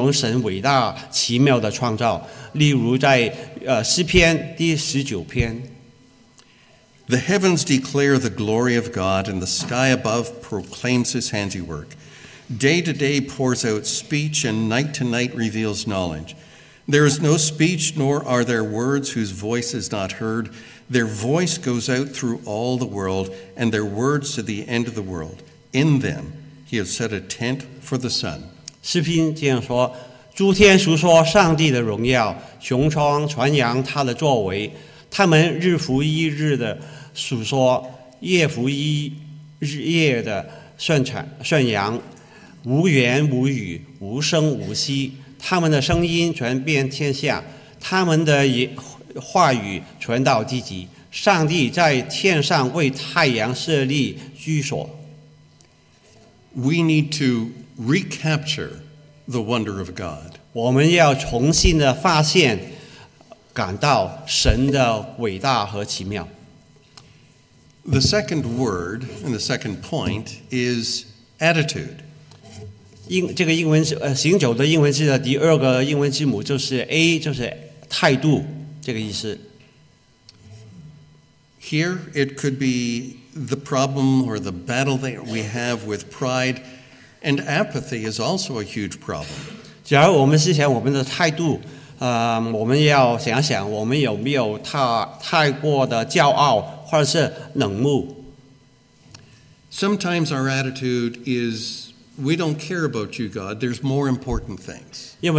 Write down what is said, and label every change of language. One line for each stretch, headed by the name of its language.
Chinese: 在圣经里面还有很多的地方形容神伟大奇妙的创造, 例如在, 诗篇第19篇。
English: The heavens declare the glory of God, and the sky above proclaims his handiwork. Day to day pours out speech, and night to night reveals knowledge. There is no speech, nor are there words whose voice is not heard. Their voice goes out through all the world, and their words to the end of the world. In them he has set a tent for the sun.
Chinese: 诗篇这样说, 诸天述说上帝的荣耀, 穹苍传扬他的作为, 他们日复一日地述说, 夜复一夜地宣扬, 无言无语, 无声无息, 他们的声音传遍天下, 他们的话语传到地极, 上帝在天上为太阳设立 居所。
English: We need to recapture the wonder of God.
Chinese: 我们要重新地发现, 感到神的伟大和奇妙。
English: The second word and the second point is attitude.
Chinese: 这个英文行走的英文字的第二个英文字母就是A,就是态度这个意思。
English: Here it could be the problem or the battle that we have with pride, and apathy is also a huge problem.
Chinese: 假如我们思想我们的态度, 我们要想想我们有没有太过的骄傲, 或者是冷漠。
English: Sometimes our attitude is, we don't care about you, God, there's more important things.